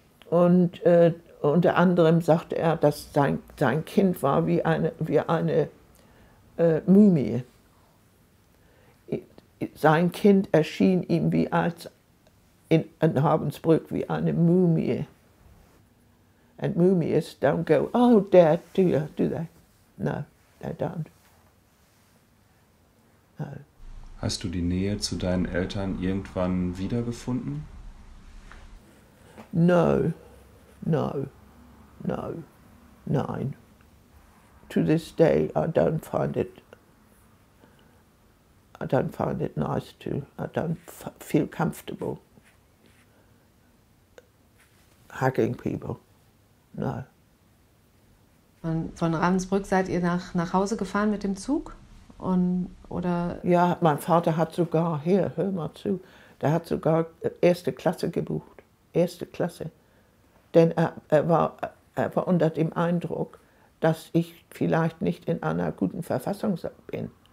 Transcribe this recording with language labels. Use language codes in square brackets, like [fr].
[de] Und unter anderem sagte er, dass sein Kind war wie eine Mumie. Sein Kind erschien ihm wie als in Habensbrück wie eine Mumie. [en] And Mumies don't go, oh Dad, do they? No, they don't. No. [de] Hast du die Nähe zu deinen Eltern irgendwann wiedergefunden? [en] No. Nein. To this day, I don't feel comfortable hugging people. No. [de] Von Ravensbrück seid ihr nach Hause gefahren mit dem Zug? Oder? Ja, mein Vater hat sogar, hör mal zu, der hat sogar erste Klasse gebucht. Erste Klasse. Denn er war unter dem Eindruck, dass ich vielleicht nicht in einer guten Verfassung bin.